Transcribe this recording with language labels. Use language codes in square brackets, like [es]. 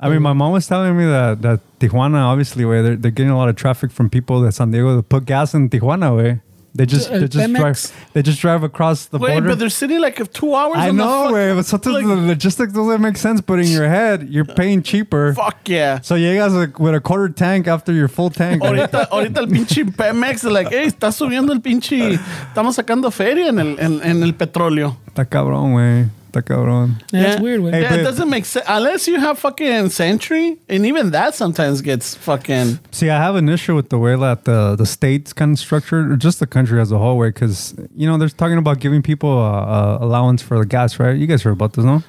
[en] I mean, my mom was telling me that Tijuana, obviously, way they're getting a lot of traffic from people that San Diego to put gas in Tijuana, way. They just drive across the border. Wait, but they're sitting like 2 hours. I know, right? But sometimes the logistics doesn't make sense. But in your head, you're paying cheaper. Fuck yeah! So you guys with a quarter tank after your full tank. [es] Ahorita el pinche Pemex [en] like, hey, [es] está subiendo el pinche, estamos sacando feria en el petróleo. Está cabrón, güey. Cabrón. [en] Yeah, that's weird. Hey, it doesn't make sense unless you have fucking Sentry, and even that sometimes gets fucking. See, I have an issue with the way that the state's kind of structured, or just the country as a whole, way, because you know they're talking about giving people allowance for the gas, right? You guys heard about this, no?